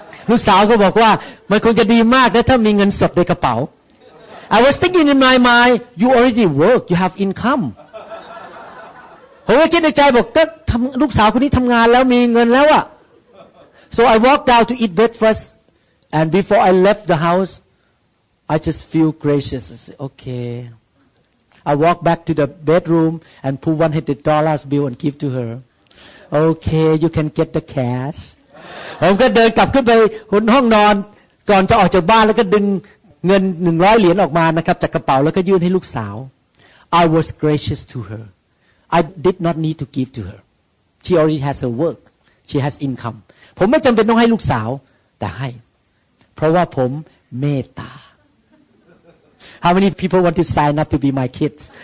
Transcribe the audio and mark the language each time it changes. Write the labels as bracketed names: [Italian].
[Thai] ลูกสาวก็บอกว่ามันคงจะดีมากนะถ้ามีเงินสดในกระเป๋า [English] I was thinking in my mind you already work you have income [Thai] ผมก็คิดในใจบอกก็ทำลูกสาวคนนี้ทำงานแล้วมีเงินแล้วอะ [English] So I walked out to eat breakfast, and before I left the house, I just feel gracious. I said, okay. I walked back to the bedroom and pulled $100 bill and give to her. Okay, you can get the cash. [Thai] ผมก็เดินกลับขึ้นไปห้องนอนก่อนจะออกจากบ้านแล้วก็ดึงเงิน100เหรียญออกมานะครับจากกระเป๋าแล้วก็ยื่นให้ลูกสาว [English] I was gracious to her. I did not need to give to her. She already has her work. She has income. [Thai] ผมไม่จำเป็นต้องให้ลูกสาวแต่ให้เพราะว่าผมเมตตา [English] How many people want to sign up to be my kids?